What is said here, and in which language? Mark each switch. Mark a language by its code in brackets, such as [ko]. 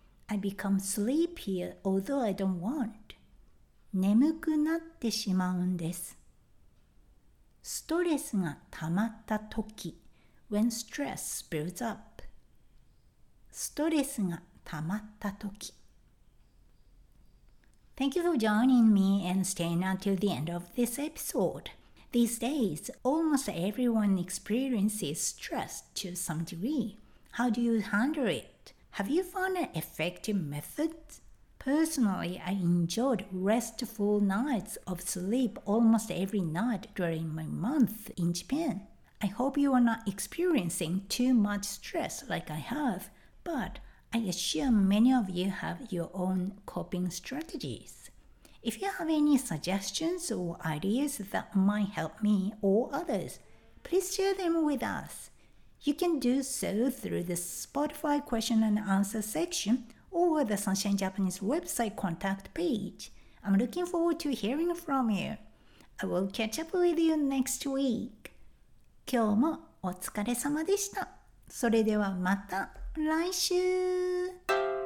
[en] I become sleepy although I don't want. [ja] 眠くなってしまうんです。ストレスが溜まったとき、 [en] When stress builds up. [ja] ストレスが溜まったとき。 [en] Thank you for joining me and staying until the end of this episode. These days, almost everyone experiences stress to some degree. How do you handle it? Have you found an effective method? Personally, I enjoyed restful nights of sleep almost every night during my month in Japan. I hope you are not experiencing too much stress like I have, but I assume many of you have your own coping strategies. If you have any suggestions or ideas that might help me or others, please share them with us. You can do so through the Spotify question and answer section or the Sunshine Japanese website contact page. I'm looking forward to hearing from you. I will catch up with you next week. [ja] 今日もお疲れ様でした。それではまた来週。